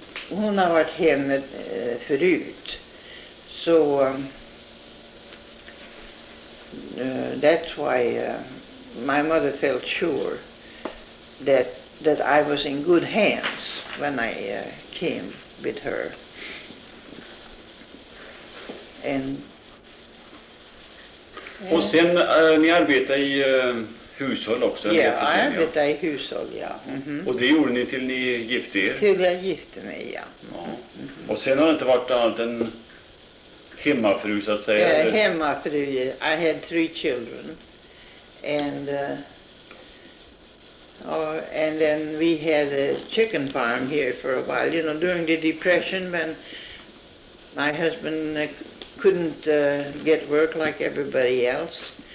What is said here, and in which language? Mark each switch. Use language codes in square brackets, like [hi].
[sv] hon har varit hemma förut, så [en] that's why my mother felt sure that I was in good hands when I came with her. [sv] Och sen ni arbetar i hushåll också? Ja, jag arbetade i hushåll, ja. Mm-hmm. Och det gjorde ni till ni gifte er? Till jag gifte mig, ja. Mm-hmm. Och sen har det inte varit annat än hemmafru, så att säga? Ja, hemmafru. [en] I had 3 children. And and then we had a chicken farm here for a while, you know, during the depression when my husband couldn't get work like everybody else.